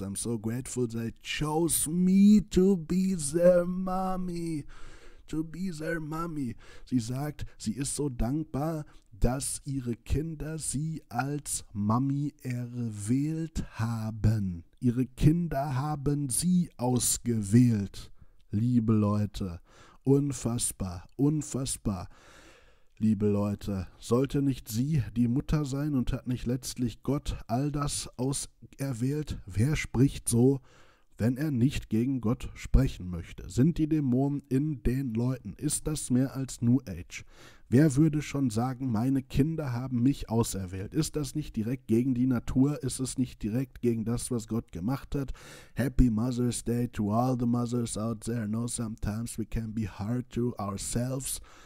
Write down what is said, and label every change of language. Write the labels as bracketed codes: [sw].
[en] I'm so grateful they chose me to be their mommy. To be their mommy. [de] Sie sagt, sie ist so dankbar, dass ihre Kinder sie als Mami erwählt haben. Ihre Kinder haben sie ausgewählt, liebe Leute. Unfassbar, unfassbar. Liebe Leute, sollte nicht sie die Mutter sein und hat nicht letztlich Gott all das auserwählt? Wer spricht so, wenn er nicht gegen Gott sprechen möchte? Sind die Dämonen in den Leuten? Ist das mehr als New Age? Wer würde schon sagen, meine Kinder haben mich auserwählt? Ist das nicht direkt gegen die Natur? Ist es nicht direkt gegen das, was Gott gemacht hat? [en] Happy Mother's Day to all the mothers out there. I know sometimes we can be hard to ourselves.